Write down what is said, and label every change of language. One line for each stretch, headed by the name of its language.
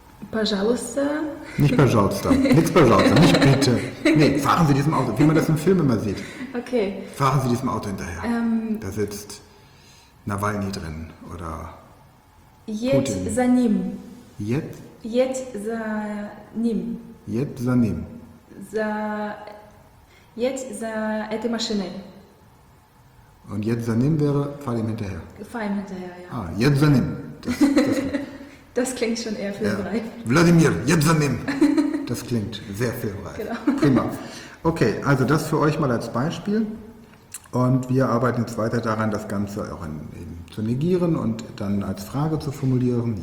Russian: Пожалуйста.
German: Nicht пожалуйста. Nichts пожалуйста. Nicht bitte. Nee, fahren Sie diesem Auto, wie man das im Film immer sieht. Okay. Fahren Sie diesem Auto hinterher. Da sitzt Nawalny drin oder jetzt Putin.
Russian: За ним.
German: Jetzt? Jetzt
Russian: за ним. Jetzt за ним. За
German: jetzt
Russian: за этой машиной.
German: Und jetzt
Russian: за ним
German: wäre fahr ihm hinterher. Fahr ihm hinterher, ja. Ah, jetzt
Russian: за ним.
German: Das klingt schon eher filmreif. Ja. Wladimir, jetzt annehmen. Das klingt sehr filmreif. Genau. Prima. Okay, also das für euch mal als Beispiel. Und wir arbeiten jetzt weiter daran, das Ganze auch in zu negieren und dann als Frage zu formulieren.